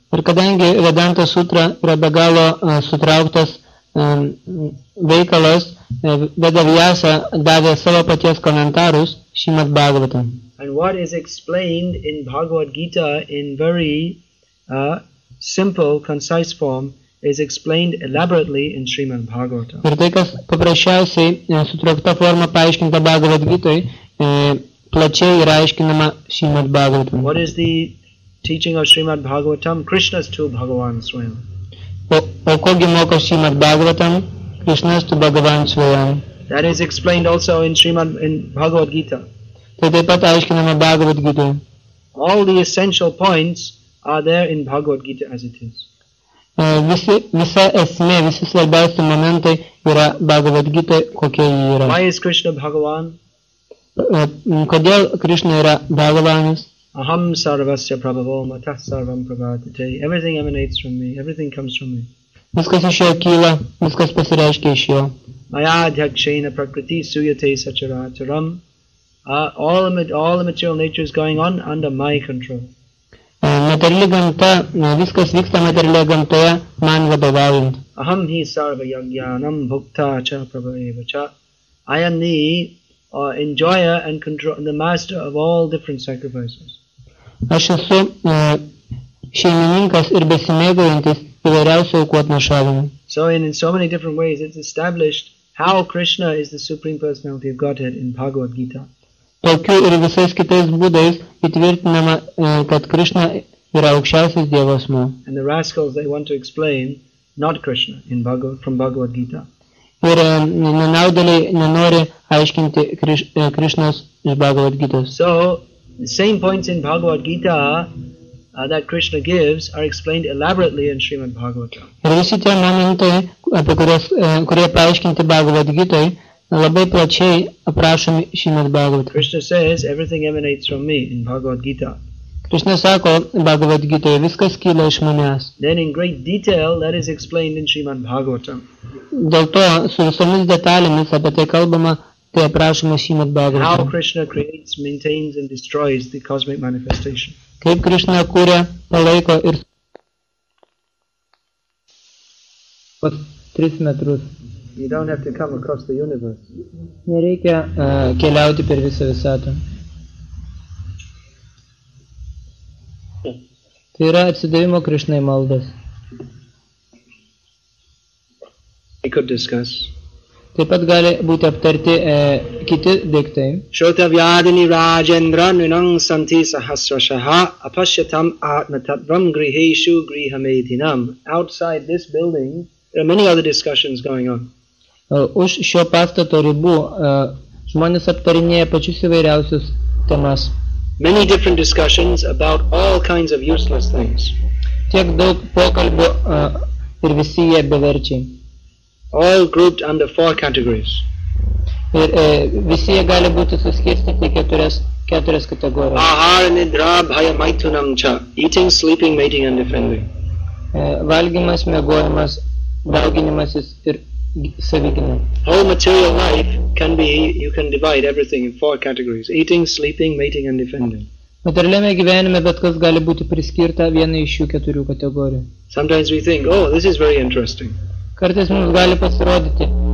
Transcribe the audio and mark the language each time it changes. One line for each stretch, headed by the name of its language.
Lithuanian: Ir kadangi Vedanta Sutra yra be galo sutrauktas veikalas, Veda Vyasa davė savo paties komentarus Srimad Bhagavatam.
English: And what is explained in Bhagavad Gita in very simple, concise form is explained elaborately in Srimad Bhagavatam.
Lithuanian: Ir tai, kas paprasčiausiai sutraukta forma paaiškinta Bhagavad Gitoje, plačiai yra aiškinama Srimad Bhagavatam.
English: What is the teaching of Srimad Bhagavatam?
Sanskrit: Krishna's two Bhagavan Swayam.
Lithuanian: O kogi moko Srimad Bhagavatam?
Sanskrit: Krishna's two Bhagavan Swayam.
English: That is explained also in Bhagavad Gita.
Lithuanian: Tai taip pat aiškinama Bhagavad Gita.
English: All the essential points are there in Bhagavad Gita as it is.
Lithuanian: Visa esmė, visi svarbiausi momentai yra Bhagavad Gita, kokia jį yra.
English: Why is Krishna Bhagavan?
Lithuanian: Kodėl Krishna yra Bhagavanas?
Sanskrit: Aham sarvasya prabhavo matah sarvam prabhavate.
English: Everything emanates from me. Everything comes from me.
Lithuanian: Viskas išėjo kyla, viskas pasireiškia iš jo.
Sanskrit: Mayadhyakshena prakriti suyate sacharacharam.
English: All the material nature is going on under my control.
Lithuanian: Materialia gamta, viskas vyksta materialia gamtoje, man vadovaujant.
Sanskrit: Aham hi sarva yagyanam bhukta cha prabhaeva cha.
English: I am the enjoyer and control, the master of all different sacrifices.
Lithuanian: Aš esu šeimininkas ir besimėgaujantis įvairiausių aukų atnašavimu.
English: So in so many different ways it's established how Krishna is the Supreme Personality of Godhead in Bhagavad Gita.
Lithuanian: Tokiu ir visais kitais būdais įtvirtinama, kad Krishna yra aukščiausias Dievo asmuo.
English: And the rascals, they want to explain not Krishna in from Bhagavad Gita.
Lithuanian: Ir nenaudėliai nenori aiškinti Krishnas iš Bhagavad Gitas.
English: So, the same points in Bhagavad Gita that Krishna gives are explained elaborately in Srimad Bhagavatam.
Lithuanian: Ir visi tie momentai, apie kurie paaiškinti Bhagavad Gitai, labai plačiai aprašomi Srimad Bhagavatam.
English: Krishna says, everything emanates from me in Bhagavad Gita.
Lithuanian: Krishna sako, Bhagavad Gitoje, viskas kyla iš manęs.
English: Then in great detail, that is explained in Srimad Bhagavatam.
Lithuanian: Dėl to, su visomis detalėmis apie tai kalbama, tai aprašoma Srimad Bhagavatam.
English: How Krishna creates, maintains and destroys the cosmic manifestation.
Lithuanian: Kaip Krishna kūrė, palaiko ir... Pas 3 metrus.
English: You don't have to come across the universe.
Lithuanian: Nereikia keliauti per visą visatą. Tai yra atsidavimo Krishnai maldas.
English: We could discuss.
Lithuanian: Taip pat gali būti aptarti kiti daiktai.
Sanskrit: Shrotavyadini Rajendra Nunang Santi Sahasrashaha Apashyatam Atmatatvam Griheshu Grihamedhinam.
English: Outside this building, there are many other discussions going on.
Lithuanian: Už šio pastato ribų žmonės aptarinėja pačius įvairiausius temas.
English: Many different discussions about all kinds of useless things.
Lithuanian: Tiek daug pokalbių ir visi jie beverčiai.
English: All grouped under 4 categories.
Lithuanian: Ir visi jie gali būti suskirstyti keturias kategorijas.
Sanskrit: Ahara nidra bhaya maitunam cha.
English: Eating, sleeping, mating and defending.
Lithuanian: Valgymas, miegojimas, dauginimasis ir savigyna.
English: Whole material life can be, you can divide everything in 4 categories. Eating, sleeping, mating and defending.
Lithuanian: Materialiame gyvenime bet kas gali būti priskirta vienai iš šių keturių kategorijų.
English: Sometimes we think, oh, this is very interesting.
Lithuanian: Kartais mums gali pasirodyti.